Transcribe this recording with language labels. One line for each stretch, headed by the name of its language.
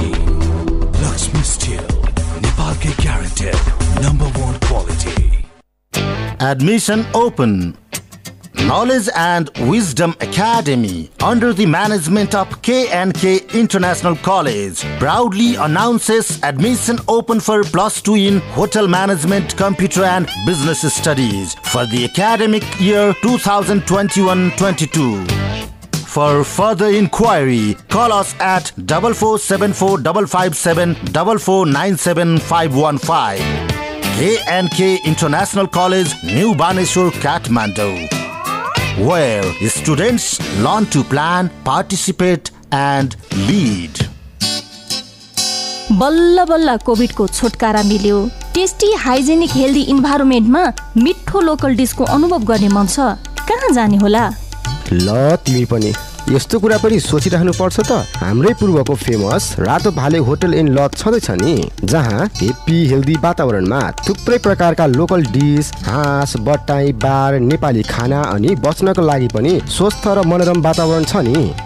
Nepali: Lakshmi steel Nepal के guaranteed number one quality
English: Admission open Knowledge and Wisdom Academy under the management of K&K International College proudly announces admission open for plus two in Hotel Management, Computer and Business Studies for the academic year 2021-22. For further inquiry, call us at 4474557-4497515. K&K International College, New Baneshwar, Kathmandu. Where students learn to plan, participate and lead.
Nepali: बल्ला बल्ला कोभिडको छुटकारा मिल्यो। Tasty hygienic healthy इन्भाइरोमेन्टमा मिठो local disco अनुभव गर्ने मन छ। कहाँ जाने होला? ल तिमी पनि यस्तो कुरा पनि सोचिरहनु पर्छ त। हाम्रै पूर्वको फेमस रातो भाले होटल इन लज छँदैछ नि, जहाँ हेप्पी हेल्दी वातावरणमा थुप्रै प्रकारका लोकल डिस, हाँस, बट्टाई, बार, नेपाली खाना अनि बस्नको लागि पनि स्वस्थ र मनोरम वातावरण छ नि।